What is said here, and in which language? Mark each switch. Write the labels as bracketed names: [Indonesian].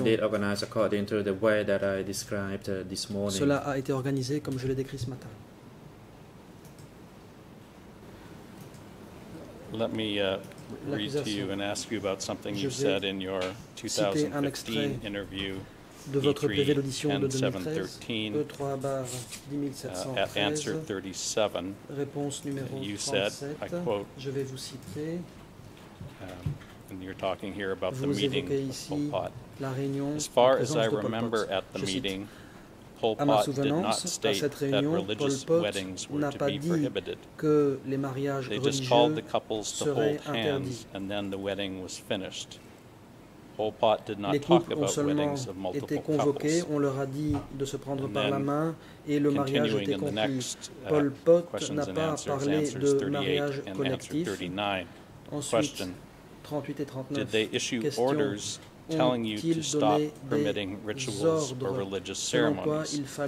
[English] Indeed organized according to the way that I described this morning. [French] Cela a été organisé comme je l'ai décrit ce matin. [English] Let me read to you and ask you about something you said in your 2015 interview. [French] de votre brevet d'audition de 2013, E3/10713, réponse numéro 37, je vais vous citer. [English] And you're talking here about the meeting of Pol Pot. As far as I remember at the meeting, Pol Pot did not state that religious weddings were to be prohibited. They just called the couples to hold hands and then the wedding was finished. Pol Pot did not talk about weddings of multiple couples. [French] Étaient convoqués, on leur a dit de se prendre par la main et le mariage était conclu. Pol Pot n'a pas parlé de mariage collectif. Ensuite, 38 et 39, [English] did they issue orders telling you to stop permitting rituals or religious ceremonies?